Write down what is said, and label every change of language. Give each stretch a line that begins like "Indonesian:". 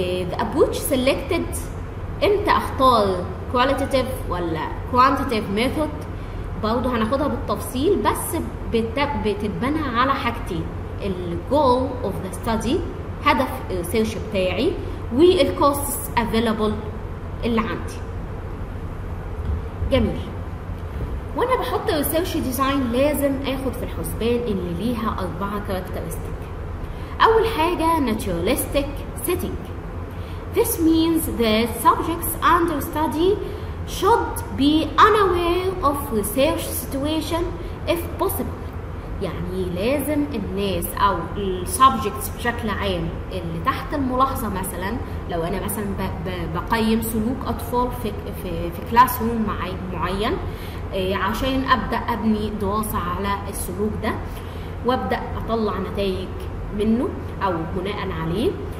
English: The approach selected،
Arabic: امتى اختار qualitative ولا quantitative method، برضو هناخدها بالتفصيل بس بتتبنى على حاجتين: ال
English: goal of the study
Arabic: هدف الريسيرش بتاعي وال
English: costs available
Arabic: اللي عندي. جميل. وانا بحط الريسيرش ديزاين لازم اخد في الحسبان ان ليها اربعة characteristic. اول حاجة naturalistic setting.
English: This means the subjects under study should be unaware of research situation if possible.
Arabic: يعني لازم الناس او ال subjects بشكل عام اللي تحت الملاحظة، مثلا لو انا مثلا بقيم سلوك اطفال في كلاس روم معين عشان ابدأ ابني دراسة على السلوك ده وابدأ اطلع نتائج منه او بناء عليه،